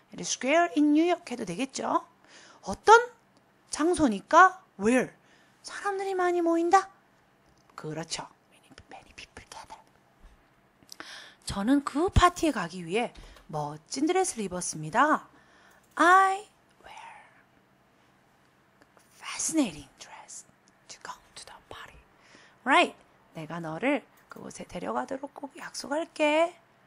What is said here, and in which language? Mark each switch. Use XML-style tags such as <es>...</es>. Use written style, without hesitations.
<en>Square in New York</en> <ko>해도 되겠죠? 어떤 장소니까? Where? 사람들이 많이 모인다? 그렇죠.</ko> <en>Many people gather.</en> <ko>저는 그 파티에 가기 위해 멋진 드레스를 입었습니다.</ko> <en>I fascinating dress to go to the party. Right.</en> <ko>내가 너를 그곳에 데려가도록 꼭 약속할게.</ko>